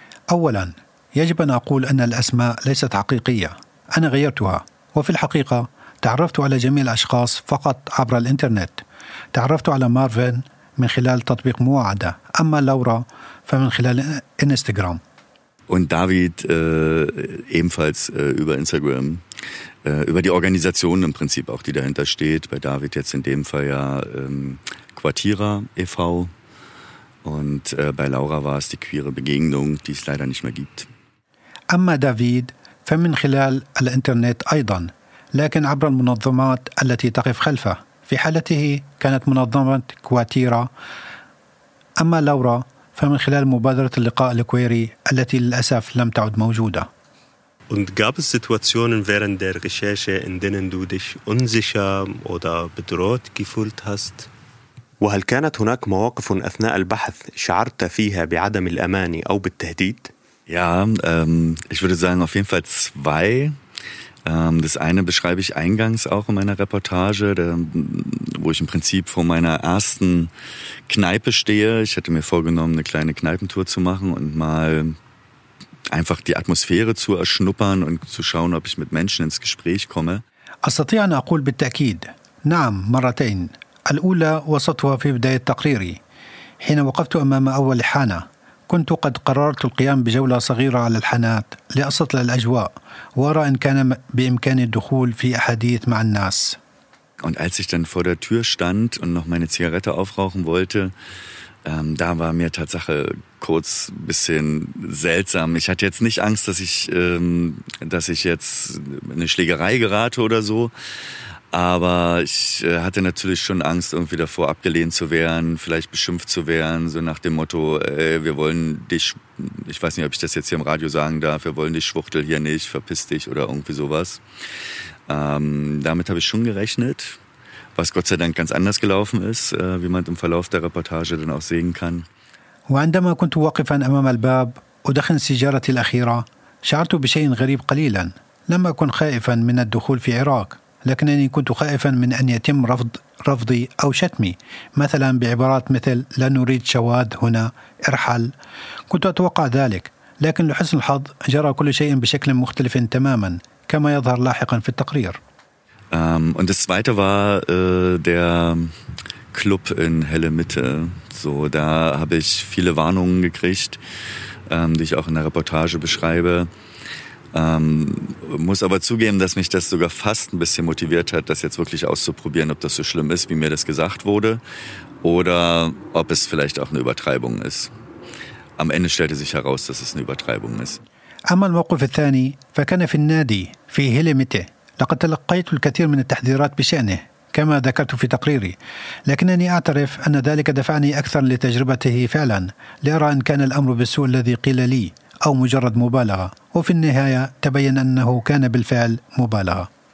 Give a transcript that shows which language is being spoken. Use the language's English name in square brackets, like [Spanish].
[Arabic] أولا يجب أن أقول أن الأسماء ليست حقيقية. أنا غيرتها، وفي الحقيقة تعرفت على جميع الأشخاص فقط عبر الإنترنت. تعرفت على مارفين من خلال تطبيق مواعدة، أما لورا فمن خلال إنستغرام. [German] Und David ebenfalls über Instagram, über die Organisation im Prinzip auch, die dahinter steht. Bei David jetzt in dem Fall ja Quartira e.V. Und bei Laura war es die queere Begegnung, die es leider nicht mehr gibt. [Arabic] أما David فمن خلال الإنترنت أيضا، لكن عبر المنظمات التي تقف خلفه. في حالته كانت منظمة كواتيرا، أما لورا فمن خلال مبادرة اللقاء الكويري التي للأسف لم تعد موجودة. [German] Und gab es Situationen während der Recherche, in denen du dich unsicher oder bedroht gefühlt hast? [Arabic] وهل كانت هناك مواقف أثناء البحث شعرت فيها بعدم الأمان أو بالتهديد؟ [German] Ja, ich würde sagen auf jeden Fall zwei. Das eine beschreibe ich eingangs auch in meiner Reportage, wo ich im Prinzip vor meiner ersten Kneipe stehe. Ich hatte mir vorgenommen, eine kleine Kneipentour zu machen und mal einfach die Atmosphäre zu erschnuppern und zu schauen, ob ich mit Menschen ins Gespräch komme. [Arabic] استطيع ان اقول بالتاكيد نعم مرتين. الاولى وصفتها في بداية تقريري حين وقفت امام اول حانة. كنت قد قررت القيام بجولة صغيرة على الحانات لأستطلع الأجواء وأرى إن كان بإمكاني الدخول في أحاديث مع الناس. [German] Und als ich dann vor der Tür stand und noch meine Zigarette aufrauchen wollte, da war mir Tatsache kurz ein bisschen seltsam. Ich hatte jetzt nicht Angst, dass ich jetzt in eine Schlägerei gerate oder so. Aber ich hatte natürlich schon Angst, irgendwie davor abgelehnt zu werden, vielleicht beschimpft zu werden, so nach dem Motto, wir wollen dich, ich weiß nicht, ob ich das jetzt hier im Radio sagen darf, wir wollen dich Schwuchtel hier nicht, verpiss dich oder irgendwie sowas. Damit habe ich schon gerechnet, was Gott sei Dank ganz anders gelaufen ist, wie man im Verlauf der Reportage dann auch sehen kann. [Arabic] وعندما كنت واقفا أمام الباب ودخن سيجارتي الأخيرة شعرت بشيء غريب قليلا. لم أكن خائفا من الدخول في عراق، لكنني كنت خائفا من أن يتم رفضي أو شتمي مثلا بعبارات مثل لا نريد شواذ هنا ارحل. كنت أتوقع ذلك، لكن لحسن الحظ جرى كل شيء بشكل مختلف تماما كما يظهر لاحقا في التقرير. [German] Und das zweite war der Club in Helle Mitte. So, da habe ich viele Warnungen gekriegt, die ich auch in der Reportage beschreibe. Muss aber zugeben, dass mich das sogar fast ein bisschen motiviert hat, das jetzt wirklich auszuprobieren, ob das so schlimm ist, wie mir das gesagt wurde, oder ob es vielleicht auch eine Übertreibung ist. Am Ende stellte sich heraus, dass es eine Übertreibung ist. [Arabic] أما الموقف الثاني فكان في النادي في هيلي ميتة. لقد تلقيت الكثير من التحذيرات بشأنه كما ذكرت في تقريري، لكنني أعترف أن ذلك دفعني أكثر لتجربته فعلا لأرى إن كان الأمر بالسوء الذي قيل لي أو مجرد مبالغة، وفي النهاية تبين أنه كان بالفعل مبالغة.